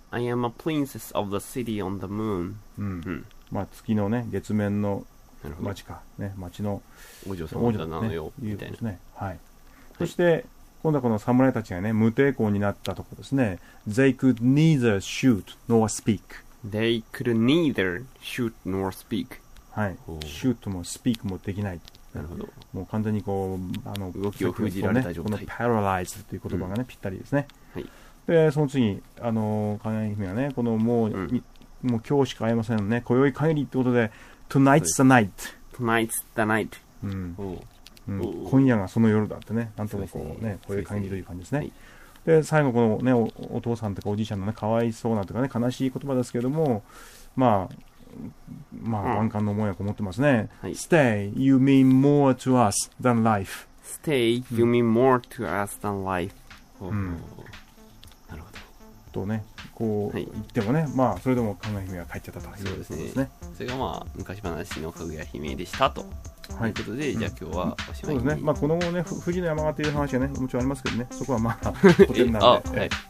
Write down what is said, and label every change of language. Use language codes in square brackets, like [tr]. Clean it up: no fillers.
[en] I am a princess of the city on the moon、うんうん、 [ja] まあ月のね、月面の町か、ね、町の王女様だなのよ、ね、みたいな、いう、ね、はい、そして、はい、今度はこの侍たちが、ね、無抵抗になったところですね、はい、 [en] They could neither shoot nor speak They could neither shoot nor speak. [ja] はい。シュートもスピークもできない。なるほど。もう完全にこう、動きを封じられた状態。このパラライズという言葉がね、ぴったりですね。はい。で、その次、かぐや姫はね、このもう、うん、もう今日しか会えませんね。今宵限りってことで、 [en] Tonight's the night. Tonight's the night. うん。 [ja] うん、今夜がその夜だってね、なんともこうね、こういう感じという感じですね。で、最後このね、お父さんとかおじいちゃんのね、かわいそうなとかね、悲しい言葉ですけれども、まあ、万感の思いはこもってますね。 [en] Stay, you mean more to us than life. Stay, you mean more to us than life. [ja] なるほど。とね、こう言ってもね、まあ、それでもかぐや姫は帰っちゃったというそうですね。それがまあ、昔話のかぐや姫でしたと。はい、ということで、じゃあ今日はおしまいに、うん、そうですね、まあ、この後ね、富士の山がという話がね、もちろんありますけどね、そこはまあ古典なんで、はい、